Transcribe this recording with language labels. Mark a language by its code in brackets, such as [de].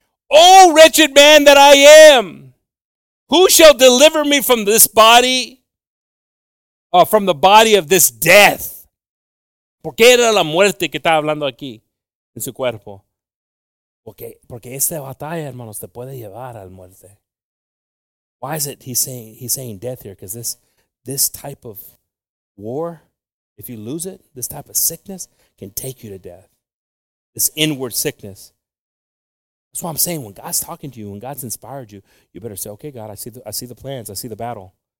[en] Oh, wretched man that I am, who shall deliver me from this body, from the body of this death? [es] ¿Por qué era la muerte que estaba hablando aquí en su cuerpo? Porque esta batalla, hermanos, te puede llevar a la muerte. [en] Why is it he's saying death here? Because this type of war, if you lose it, this type of sickness can take you to death. This inward sickness. That's why I'm saying, when God's talking to you, when God's inspired you, you better say, okay, God, I see the plans, I see the battle.